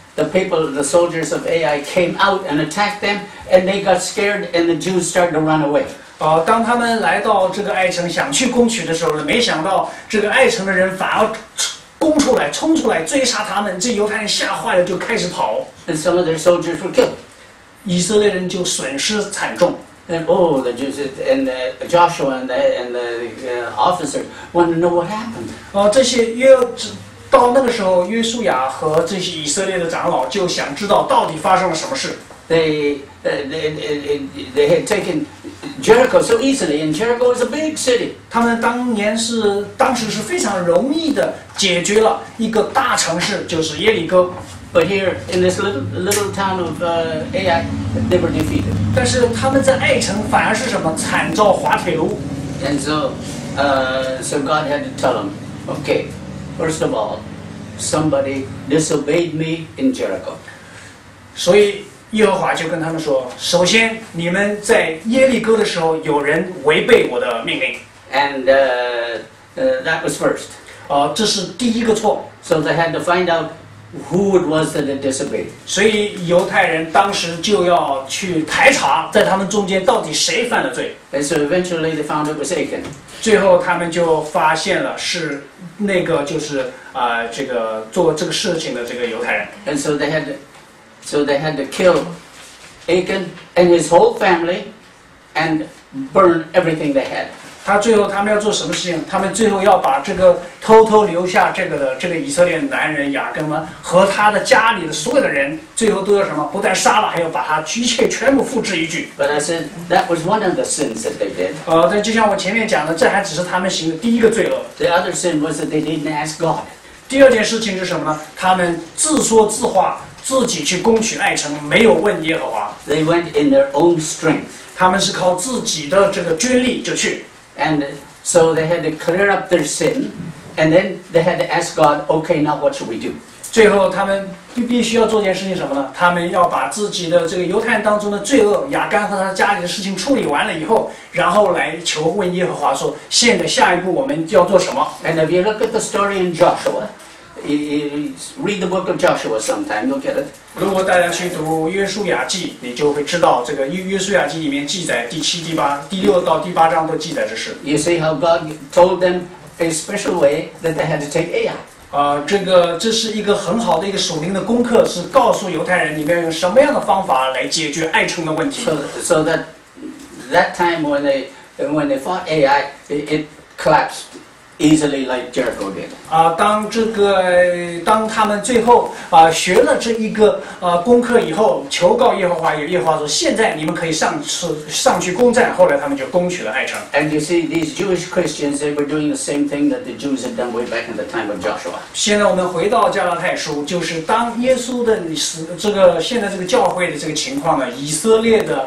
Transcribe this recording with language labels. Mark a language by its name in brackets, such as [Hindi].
[English] The people, the soldiers of Ai came out and attacked them, and they got scared, and the Jews started to run away. [Chinese] 当他们来到这个爱城想去攻取的时候，没想到这个爱城的人反而冲出来追杀他们，这犹太人吓坏了，就开始跑。 [English] And some of their soldiers were killed. [Chinese] 以色列人就损失惨重。 [English] And oh, the Jews and Joshua and the officers want to know what happened. [Chinese] 这些约。到那个时候，约书亚和这些以色列的长老就想知道到底发生了什么事。 [English] They had taken Jericho so easily, and Jericho is a big city. [Chinese] 他们当时是非常容易的解决了一个大城市，就是耶利哥。 [English] But here in this little town of Ai, they were defeated. [Chinese] 但是他们在爱城反而是什么惨遭滑铁卢。 [English] And so God had to tell them, okay. First of all, somebody disobeyed me in Jericho. [Chinese] 所以耶和华就跟他们说：首先，你们在耶利哥的时候，有人违背我的命令。 [English] And that was first. [Chinese] 这是第一个错。 [English] So they had to find out who it was that they disobeyed. [Chinese] 所以犹太人当时就要去排查，在他们中间到底谁犯了罪。 [English] And so eventually they found it was Achan. [Chinese] 最后他们就发现了是那个就是这个做这个事情的这个犹太人。 [English] And so they had to kill Achan and his whole family and burn everything they had. [Chinese] 他最后他们要做什么事情？他们最后要把这个偷偷留下这个的这个以色列男人雅各们和他的家里的所有的人，最后都要什么？不但杀了，还要把他一切全部复制一炬。 [English] But I said that was one of the sins that they did. [Chinese] 但就像我前面讲的，这还只是他们行的第一个罪恶。 [English] The other sin was that they didn't ask God. [Chinese] 第二件事情是什么呢？他们自说自话，自己去攻取爱城，没有问耶和华。 [English] They went in their own strength. [Chinese] 他们是靠自己的这个军力就去。 [English] And so they had to clear up their sin, and then they had to ask God, "Okay, now what should we do?" [Chinese] 最后，他们必须要做件事情什么呢？他们要把自己的这个犹太人当中的罪恶雅干和他家里的事情处理完了以后，然后来求问耶和华说：“现在下一步我们要做什么？” [English] And if you look at the story in Joshua, read the book of Joshua sometime, you'll get it. [Chinese] 如果大家去读约书亚记，你就会知道这个约书亚记里面记载第七、第八、第六到第八章都记载这事。 [English] You see how God told them a special way that they had to take Ai. [Chinese] 这是一个很好的一个属灵的功课，是告诉犹太人你们要用什么样的方法来解决爱城的问题。 [English] So that time when they fought Ai, it collapsed. Easily like Jericho did. [Chinese] 当他们最后学了这一个功课以后，求告耶和华，耶和华说：“现在你们可以上去攻占。” 后来他们就攻取了爱城。 [English] And you see, these Jewish Christians, they were doing the same thing that the Jews had done way back in the time of Joshua. [Chinese] 现在我们回到加拉太书，就是当耶稣的这个现在这个教会的这个情况呢，以色列。